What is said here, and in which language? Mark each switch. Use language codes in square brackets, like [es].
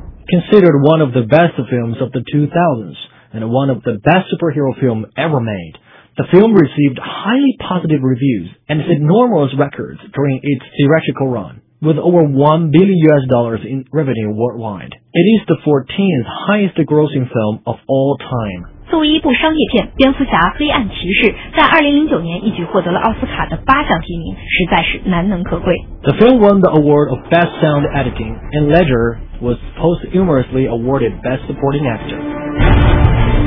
[en] considered one of the best films of the 2000s and one of the best superhero films ever made. The film received highly positive reviews and set enormous records during its theatrical run, with over $1 billion in revenue worldwide. It is the 14th highest grossing film of all time. [zh] 作为一部商业片，《蝙蝠侠：黑暗骑士》在2009年一举获得了奥斯卡的八项提名，实在是难能可贵。 [en] The film won the award of Best Sound Editing, and Ledger was posthumously awarded Best Supporting Actor.